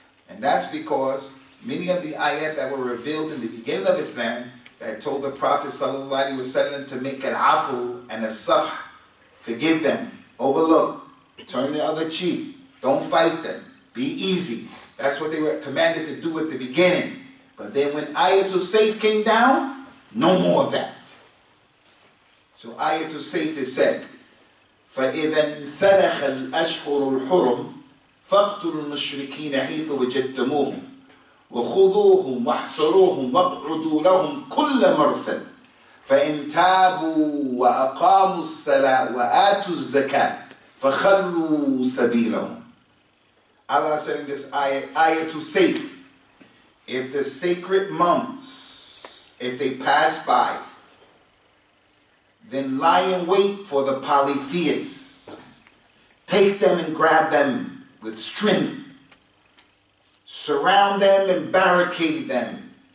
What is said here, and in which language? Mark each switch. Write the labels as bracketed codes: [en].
[en] And that's because many of the ayat that were revealed in the beginning of Islam that told the Prophet ﷺ to make an afu and a safh, forgive them, overlook, turn the other cheek, don't fight them, be easy. That's what they were commanded to do at the beginning. But then when Ayat As-Saif came down, no more of that. [ar] So Ayat As-Saif is said, فَإِذَا سَلَخَ الْأَشْهُرُ الْحُرُمُ فَاقْتُلُوا الْمُشْرِكِينَ حَيْثُ وَجَدْتُمُوهُمْ وَخُذُوهُمْ وَاحْصُرُوهُمْ وَاقْعُدُوا لَهُمْ كُلَّ مَرْسَدٍ فَإِنْ تَابُوا وَأَقَامُوا الصَّلَاةَ وَآتُوا الزَّكَاةَ فَخَلُّوا سَبِيلَهُمْ. [en] Allah said in this ayah to save. If the sacred months, if they pass by, then lie in wait for the polytheists. Take them and grab them with strength. Surround them and barricade them.